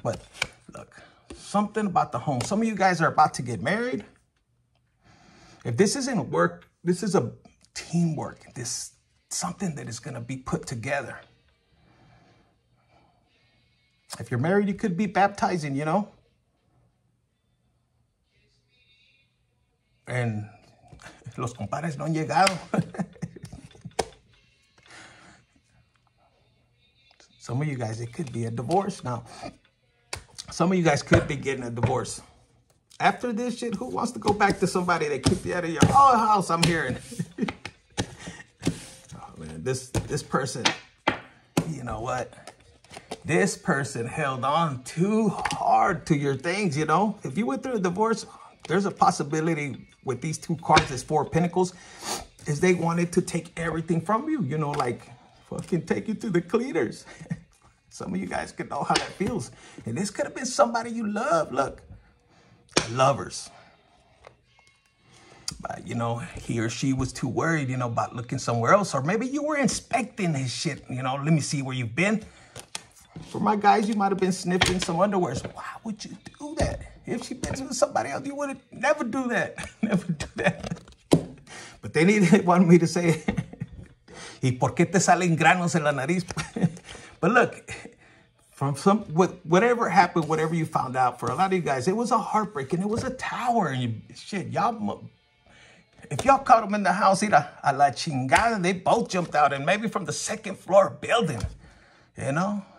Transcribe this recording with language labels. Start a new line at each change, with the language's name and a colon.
English: But look, something about the home. Some of you guys are about to get married. If this isn't work, this is a teamwork. This something that is going to be put together. If you're married, you could be baptizing, you know? And
Spanish: los compadres no han llegado.
English: Some of you guys, it could be a divorce now. Some of you guys could be getting a divorce. After this shit, who wants to go back to somebody that kicked you out of your own house, I'm hearing? Oh, man, this person, you know what? This person held on too hard to your things, you know? If you went through a divorce, there's a possibility with these two cards, this Four of Pentacles, is they wanted to take everything from you, you know, like fucking take you to the cleaners. Some of you guys could know how that feels. And this could have been somebody you love, look, lovers. But, you know, he or she was too worried, you know, about looking somewhere else. Or maybe you were inspecting his shit, you know, let me see where you've been. For my guys, you might have been sniffing some underwears. Why would you do that? If she been with somebody else, you would have never do that. Never do that. But they wanted me to say,
Spanish: ¿Y por qué te salen granos en la nariz?
English: But look, from some whatever happened, whatever you found out, for a lot of you guys, it was a heartbreak and it was a tower. And you, shit, y'all, if y'all caught them in the house,
Spanish: a la chingada,
English: they both jumped out and maybe from the second floor building, you know?